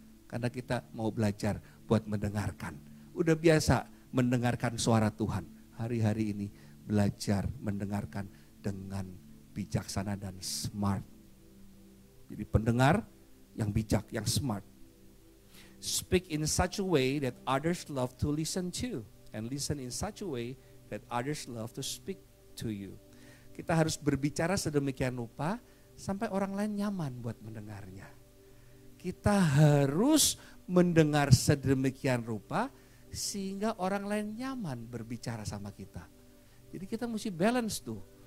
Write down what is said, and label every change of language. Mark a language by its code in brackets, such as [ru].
[id] Karena kita mau belajar buat mendengarkan. Udah biasa mendengarkan suara Tuhan. Hari-hari ini belajar mendengarkan dengan bijaksana dan smart. Jadi pendengar yang bijak, yang smart. [en] Speak in such a way that others love to listen to. And listen in such a way that others love to speak to you. [id] Kita harus berbicara sedemikian rupa sampai orang lain nyaman buat mendengarnya. Kita harus mendengar sedemikian rupa sehingga orang lain nyaman berbicara sama kita. Jadi kita mesti balance tuh.